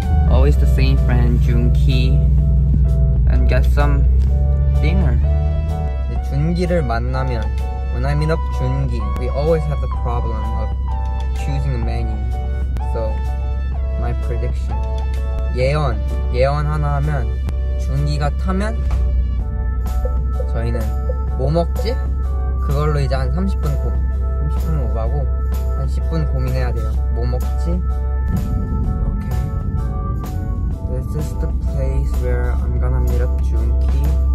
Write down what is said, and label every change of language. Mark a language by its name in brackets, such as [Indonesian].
[English] Always the same friend, Junki. And get some dinner. When I meet up Junki, we always have the problem of choosing a menu. So my prediction. 예언. [Korean] 예언 하나 하면 준기가 타면 저희는 뭐 먹지? 그걸로 이제 한 30분 고 30분 오바고 한 10분 고민해야 돼요. 뭐 먹지? [English] Okay. This is the place where I'm gonna meet up Junki.